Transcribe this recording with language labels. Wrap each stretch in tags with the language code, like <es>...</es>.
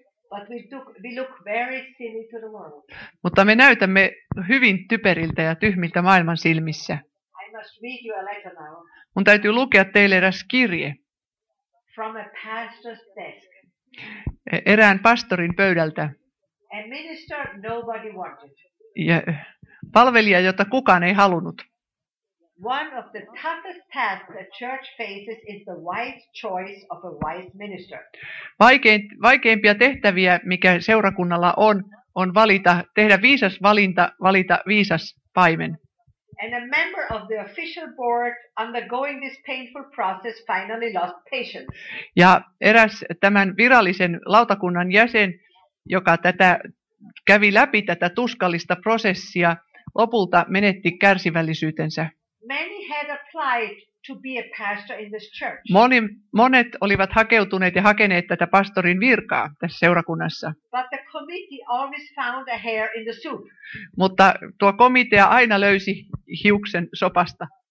<en>But we look very silly to the world.</en> <fi>Mutta me näytämme hyvin typeriltä ja tyhmiltä maailman silmissä.</fi> <en>I must read you a letter now.</en> <fi>Mun täytyy lukea teille eräs kirje.</fi> <en>From a pastor's desk.</en> <fi>Erään pastorin pöydältä.</fi> <en>A minister nobody wanted.</en> <fi>Ja palvelija, jota kukaan ei halunnut.</fi> <en>One of the toughest tasks a church faces is the wise choice of a wise minister.</en> <fi>Vaikeimpia tehtäviä, mikä seurakunnalla on, on valita, tehdä viisas valinta, valita viisas paimen.</fi> <en>And a member of the official board undergoing this painful process finally lost patience.</en> <fi>Ja eräs tämän virallisen lautakunnan jäsen, joka tätä kävi läpi tätä tuskallista prosessia, lopulta menetti kärsivällisyytensä.</fi> <en>Many had applied to be a pastor in this church.</en> <fi>Monet olivat hakeutuneet ja hakeneet tätä pastorin virkaa tässä seurakunnassa.</fi> <en>But the committee always found a hair in the soup.</en> <fi>Mutta tuo komitea aina löysi hiuksen sopasta.</fi>